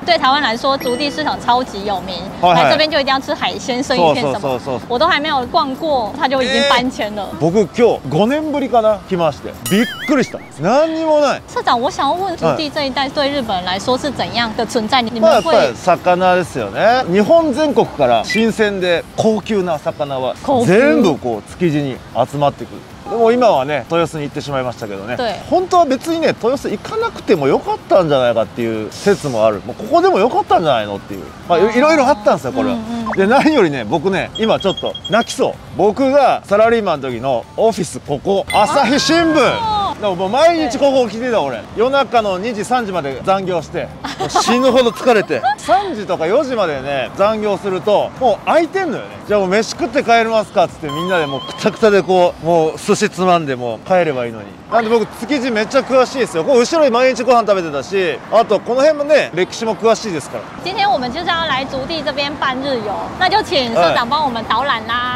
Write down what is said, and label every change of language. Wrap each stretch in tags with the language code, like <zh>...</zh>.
<zh>对台湾来说，竹地市场超级有名，来这边就一定要吃海鲜、生鱼片什么。我都还没有逛过，他就已经搬迁了。</zh> <ja>僕今日五年ぶりかな来まして、びっくりした。何にもない。</ja> <zh>社长，我想要问竹地这一带对日本人来说是怎样的存在？你们会？</zh> <ja>やっぱり魚ですよね。日本全国から新鮮で高級な魚は全部こう築地に集まってくる。でも今はね豊洲に行ってしまいましたけどね本当は別にね豊洲行かなくてもよかったんじゃないかっていう説もあるもうここでもよかったんじゃないのっていう、まあ、いろいろあったんですよこれは、うんうん、で何よりね僕ね今ちょっと泣きそう僕がサラリーマンの時のオフィスここ朝日新聞でももう毎日ここ来てた俺夜中の2時3時まで残業して死ぬほど疲れて3時とか4時までね残業するともう空いてんのよねじゃあもう飯食って帰りますかっつってみんなでもうクタクタでこうもう寿司つまんでもう帰ればいいのになんで僕築地めっちゃ詳しいですよこう後ろに毎日ご飯食べてたしあとこの辺もね歴史も詳しいですから</ja> <zh>今天我们就是要来竹地这边办日游那就请社长帮我们导览啦</zh>